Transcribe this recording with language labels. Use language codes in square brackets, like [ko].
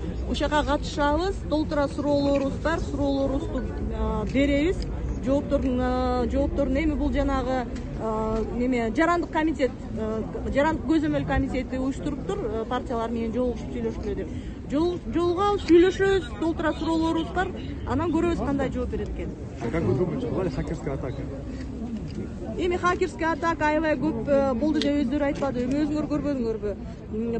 [ky] Ушака катышабыз, толтура суроолорубуз бар, суроолорубузду беребиз. Жоопторун эми бул жанагы жарандык комитет, жарандык көзөмөл комитети уюштуруптур, партиялар менен жолугушуп сүйлөшкүлө деп. Жолугабыз, сүйлөшөбүз, толтура суроолорубуз бар, анан көрөбүз кандай жооп берет экен. [ru] Как вы думаете, была ли хакерская атака? [ky] Эми [ru] хакерская атака [ky] аябай көп болду деп өздөрү айтпады, эми өзүңөр көрбөдүңөрбү?